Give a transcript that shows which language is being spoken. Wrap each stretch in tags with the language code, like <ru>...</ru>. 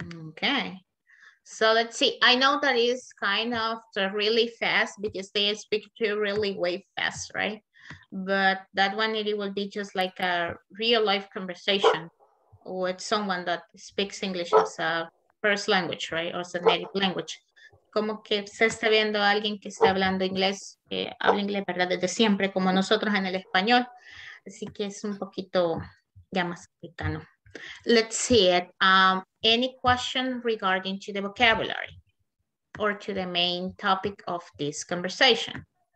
<en>Okay. So let's see. I know that is kind of really fast because they speak to really way fast, right? But that one, it will be just like a real life conversation with someone that speaks English as a first language, right? Or as a native language.</en> <es>Como que se está viendo a alguien que está hablando inglés, habla inglés, ¿verdad? Desde siempre, como nosotros en el español. Así que es un poquito ya más cercano.</es> <en>Let's see it. Any question regarding to the vocabulary? or to the main topic of this conversation.</en>